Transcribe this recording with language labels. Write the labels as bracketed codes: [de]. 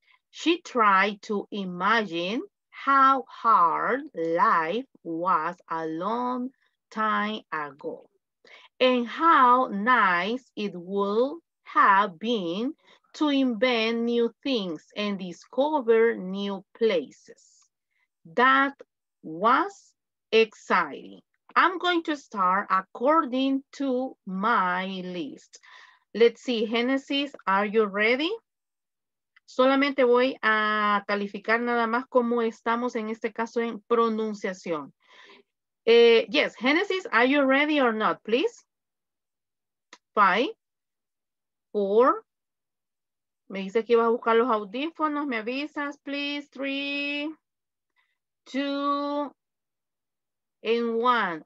[en] She tried to imagine how hard life was a long time ago and how nice it would have been to invent new things and discover new places. That was exciting. I'm going to start according to my list. Let's see, Genesis, are you ready? [es] Solamente voy a calificar nada más cómo estamos en este caso en pronunciación. [en] Yes, Genesis, are you ready or not, please? [es] 5, 4. Me dice que iba a buscar los audífonos, me avisas, please. [en] 3, 2. In 1.